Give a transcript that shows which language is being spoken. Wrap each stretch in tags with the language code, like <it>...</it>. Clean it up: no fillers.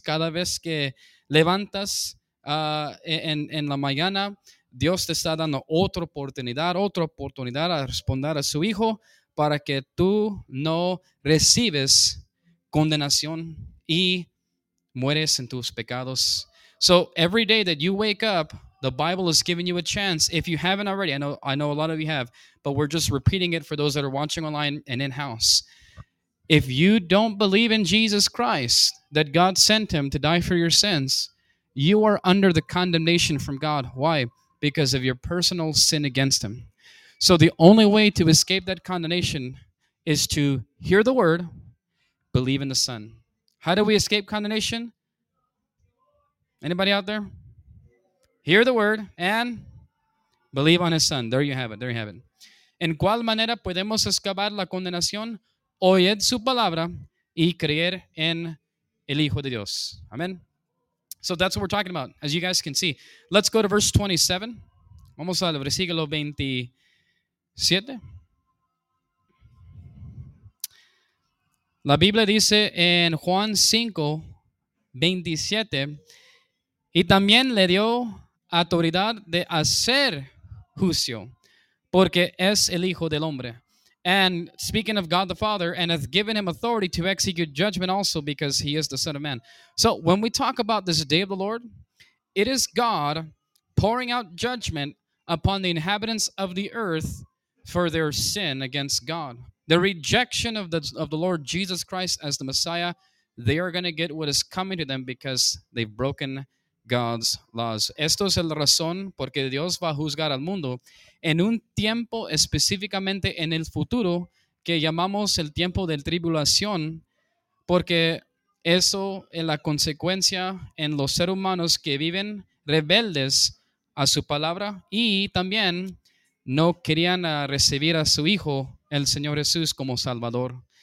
<es>Cada vez que levantas en la mañana, Dios te está dando otra oportunidad a responder a su Hijo para que tú no recibes condenación y mueres en tus pecados.</es> <en>So every day that you wake up, the Bible is giving you a chance. If you haven't already, I know a lot of you have, but we're just repeating it for those that are watching online and in-house. If you don't believe in Jesus Christ, that God sent him to die for your sins, you are under the condemnation from God. Why? Because of your personal sin against him. So the only way to escape that condemnation is to hear the word, believe in the Son. How do we escape condemnation? Anybody out there? Hear the word and believe on his Son. There you have it. There you have it.</en> <es>¿En cuál manera podemos escapar la condenación? Oíd su palabra y creer en el Hijo de Dios.</es> <en>Amen. So that's what we're talking about, as you guys can see. Let's go to verse 27.</en> <es>Vamos al versículo 27. La Biblia dice en Juan 5, 27, y también le dio autoridad de hacer juicio, porque es el Hijo del Hombre.</es> <en>And speaking of God the Father, and hath given him authority to execute judgment also, because he is the Son of Man. So when we talk about this day of the Lord, it is God pouring out judgment upon the inhabitants of the earth for their sin against God. The rejection of the Lord Jesus Christ as the Messiah, they are going to get what is coming to them because they've broken God's laws.</en> <es>Esto es el razón porque Dios va a juzgar al mundo en un tiempo específicamente en el futuro que llamamos el tiempo de tribulación, porque eso es la consecuencia en los seres humanos que viven rebeldes a su palabra y también no querían recibir a su Hijo, el Señor Jesús, como Salvador.</es>